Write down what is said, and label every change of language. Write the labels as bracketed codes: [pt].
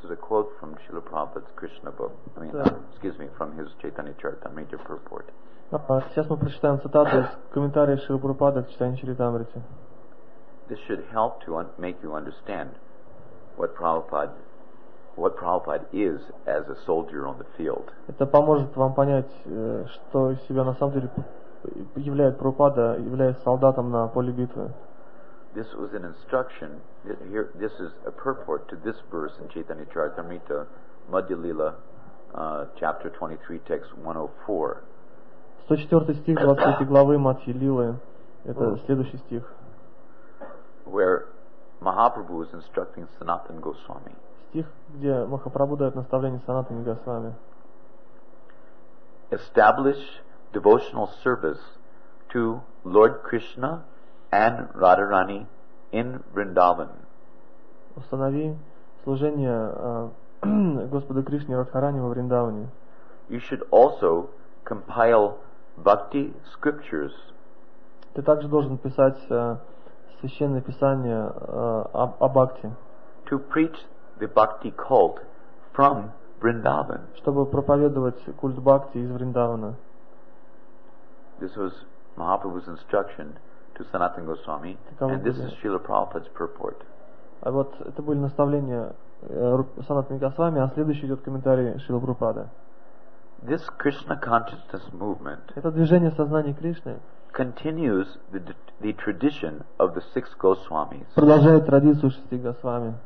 [en] This is a quote from Srila Prabhupada's Krishna book. From his Chaitanya Charitamrita purport. [ru] Сейчас мы прочитаем цитату из комментария Шрилы Прабхупады к Чайтанья Чаритамрите. [en] This should help to make you understand what Prabhupada is as a soldier on the field. [ru] Это поможет вам понять, что из себя на самом деле являет Прабхупада, являясь солдатом на поле битвы. [en] This was an instruction. This is a purport to this verse in Chaitanya Charitamrita, Madhya Lila, chapter 23, text 104. [ru] 104 стих 23 главы Мадхи Лилы. Это следующий стих. [en] Where Mahaprabhu is instructing Sanatan Goswami. [ru] Стих, где Махапрабху дает наставление Санатану Госвами. [en] Establish devotional service to Lord Krishna and Radharani in Vrindavan. [ru] Установи служение Господу Кришне и Радхарани во Вриндаване. [en] You should also compile bhakti scriptures. [ru] Ты также должен писать священное писание о бхакти. [en] To preach the bhakti cult from Vrindavan. [ru] Чтобы проповедовать культ бхакти из Вриндавана. [en] This was Mahaprabhu's instruction to Sanatana Goswami, and this is Srila Prabhupada's purport. [ru] Вот это были наставления Санатана Госвами, а следующий идет комментарий Шрилы Прабхупады. [en] This Krishna consciousness movement. [ru] Это движение сознания Кришны. [en] continues the tradition of the six Goswamis. [ru] Продолжает традицию шести Госвами.